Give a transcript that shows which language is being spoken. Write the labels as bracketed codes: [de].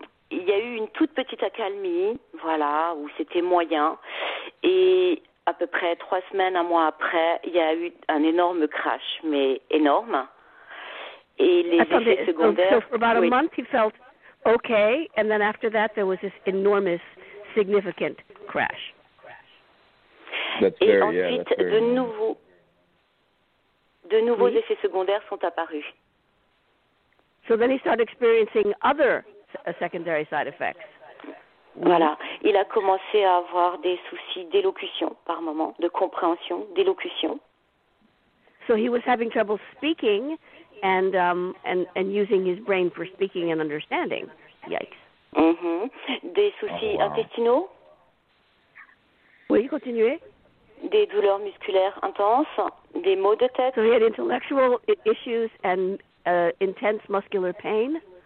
[fr] Il y a eu une toute petite accalmie, voilà, où c'était moyen, et à peu près 3 semaines, 1 mois après, il y a eu un énorme crash, mais énorme. Et les effets secondaires... [en] So for about a month, he felt okay, and then after that, there was this enormous, significant crash. That's [fr] et [en] very, [fr] ensuite, [en] yeah, that's [fr] de nouveaux... De nouveaux effets secondaires sont apparus. [en] So then he started experiencing other secondary side effects. [fr] Voilà. Il a commencé à avoir des soucis d'élocution par moment, de compréhension, d'élocution. [en] So he was having trouble speaking and using his brain for speaking and understanding. Yikes. [fr] Mm-hmm. Des soucis intestinaux. Oui, continuez. Des douleurs musculaires intenses, des maux de tête. [en] So he had intellectual issues and intense muscular pain.